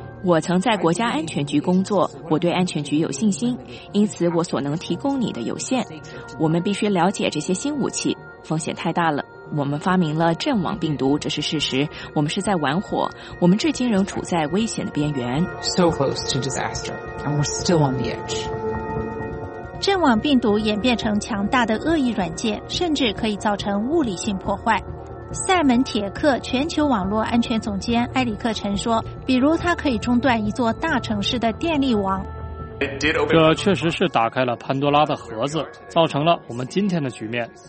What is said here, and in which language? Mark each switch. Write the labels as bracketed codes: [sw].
[zh] 我曾在国家安全局工作，我对安全局有信心，因此我所能提供你的有限。我们必须了解这些新武器，风险太大了。我们发明了阵网病毒，这是事实。我们是在玩火，我们至今仍处在危险的边缘。 [en] So close to disaster, and we're still on the edge. [zh] 阵网病毒演变成强大的恶意软件，甚至可以造成物理性破坏。塞门铁克全球网络安全总监埃里克陈说，比如他可以中断一座大城市的电力网。这确实是打开了潘多拉的盒子，造成了我们今天的局面。